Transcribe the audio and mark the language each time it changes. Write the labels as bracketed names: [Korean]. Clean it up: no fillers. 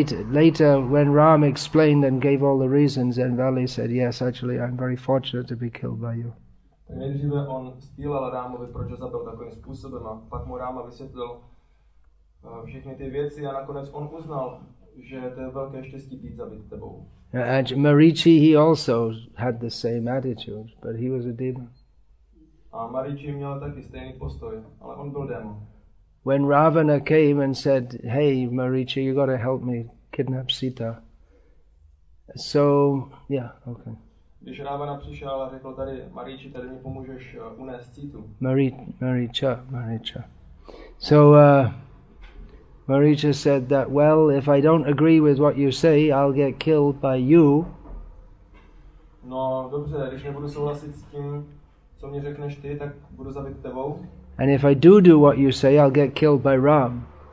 [English] Later, when Ram explained and gave all the reasons, then Vali said, "Yes, actually, I'm very fortunate to be killed by you." [Czech] Nejdříve on stílal Rámovi, proč ho zabil takovým způsobem, a pak mu Ráma vysvětlil všechny ty věci a nakonec on uznal, že to je velké štěstí být zabit tebou. [English] And Marichi, he also had the same attitude, but he was a demon. [Czech] A Marichi měl taky stejný postoj, ale on byl démon. [English] When Ravana came and said, "Hey, Marichi, you got to help me kidnap Sita." So, yeah, okay. [Czech] Když Ravana přišel a řekl tady, Marichi, tady mi pomůžeš unést Situ. [English] Maricha. So, Marichi said that, "Well, if I don't agree with what you say, I'll get killed by you." [Czech] No, dobře, když nebudu souhlasit s tím, co mě řekneš ty, tak budu zabit tebou. [English] And if I do what you say, I'll get killed by Ram.